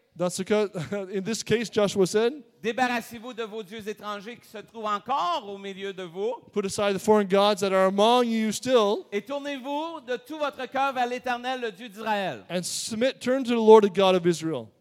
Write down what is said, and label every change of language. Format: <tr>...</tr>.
<fr>Dans ce cas,</fr> <en>in this case, Joshua said.</en> <fr>Débarrassez-vous de vos dieux étrangers qui se trouvent encore au milieu de vous.</fr> <en>Put aside the foreign gods that are among you still.</en> <fr>Et tournez-vous de tout votre cœur vers l'Éternel, le Dieu d'Israël.</fr> <en>And submit, turn to the Lord, the God of Israel.</en>